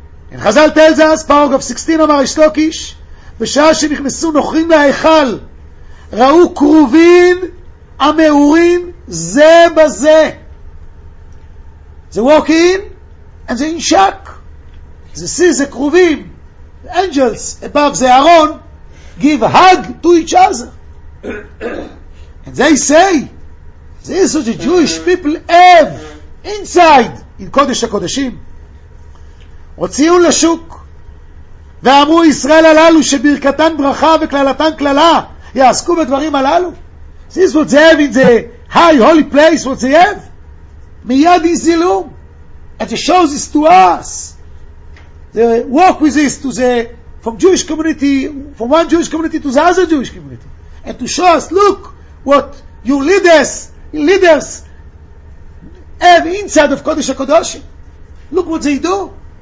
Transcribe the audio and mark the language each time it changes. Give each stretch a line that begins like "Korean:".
English: And Chazal tells us, paragraph 16,
Hebrew: Amar Reish Lakish, בשעה שנכנסו נוכרים להיכל, ראו כרובים המאורים זה בזה.
English: They walk in and they in shock. They see the כרובים, the angels above the Aaron, give hug to each other. And they say, this is what the Jewish people have inside in קודש הקודשים.
Hebrew: הוציאו לשוק ואמרו ישראל הללו שברכתן ברכה וכללתן כללה יעסקו בדברים הללו.
English: This is what they have in the high holy place, what they have.
Hebrew: מיד יזילו.
English: And it shows this to us. They walk with this to the, from Jewish community, from one Jewish community to the other Jewish community. And to show us, look what your leaders have inside of Kodesh HaKodoshim. Look what they do.